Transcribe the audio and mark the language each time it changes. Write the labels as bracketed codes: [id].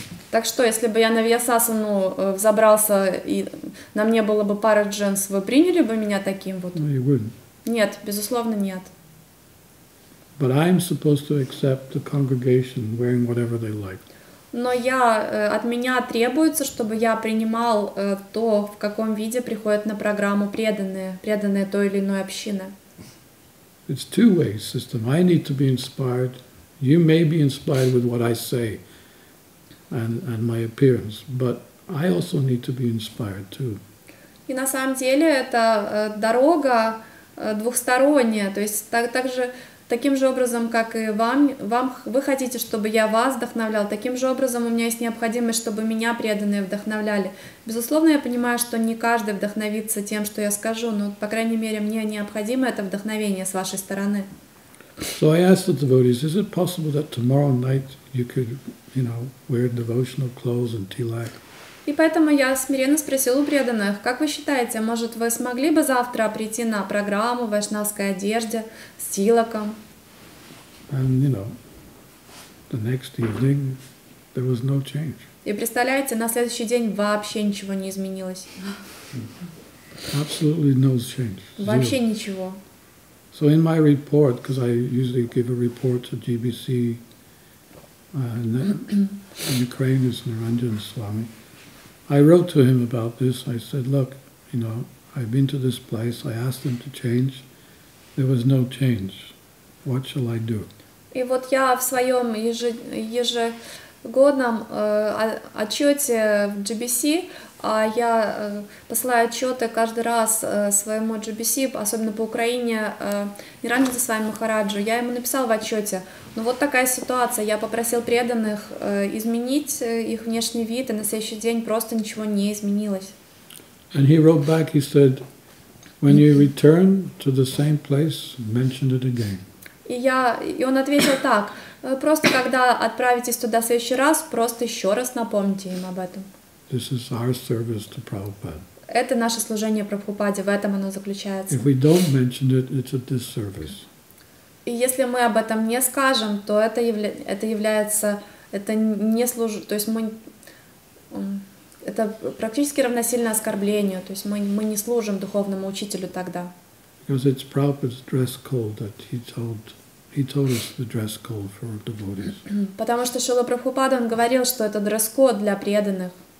[ru] Так что, если бы я на Вьясасану взобрался и на мне было бы пара джинсов, вы приняли бы меня таким вот? [en] No, you wouldn't. [ru] Нет, безусловно, нет. [en] But I'm supposed to accept the congregation wearing whatever they like. [ru] Но я, от меня требуется, чтобы я принимал то, в каком виде приходят на программу преданные той или иной общины. [en] It's two-way system. I need to be inspired. You may be inspired with what I say and my appearance, but I also need to be inspired too. [ru] И на самом деле это дорога двухсторонняя, то есть также таким же образом, как и вам, вы хотите, чтобы я вас вдохновлял, таким же образом у меня есть необходимость, чтобы меня преданные вдохновляли. Безусловно, я понимаю, что не каждый вдохновится тем, что я скажу, но, по крайней мере, мне необходимо это вдохновение с вашей стороны. [en] So I asked the devotees, is it possible that tomorrow night you could, you know, wear devotional clothes and tilak? [ru] И поэтому я смиренно спросил у преданных: как вы считаете, может, вы смогли бы завтра прийти на программу в вайшнавской одежде с тилаком? [en] And, you know, the next evening there was no change. [ru] И представляете, на следующий день вообще ничего не изменилось. [en] Absolutely no change. [ru] Вообще ничего. [en] So in my report, because I usually give a report to GBC, and in Ukraine is Naranjan Swami. I wrote to him about this. I said, look, you know, I've been to this place, I asked them to change, there was no change. What shall I do? [ru] И вот я в своем ежегодном отчете в GBC, я посылаю отчеты каждый раз своему GBC, особенно по Украине, Ниранджана Свами Махараджу. Я ему написал в отчете. Ну вот такая ситуация. Я попросил преданных изменить их внешний вид, и на следующий день просто ничего не изменилось. [en] And he wrote back, he said, when you return to the same place, mention it again. [ru] И он ответил так: просто когда отправитесь туда в следующий раз, просто еще раз напомните им об этом. [en] This is our service to Prabhupada. [ru] Это наше служение Прабхупаде, в этом оно заключается. [en] If we don't mention it, it's a disservice. [ru] И если мы об этом не скажем, то это практически равносильно оскорблению, то есть мы не служим духовному учителю тогда. [en] Because it's Prabhupada's dress code that he told us the dress code for devotees. [ru] Потому что Шрила Прабхупада, он говорил, что это дресс-код для преданных.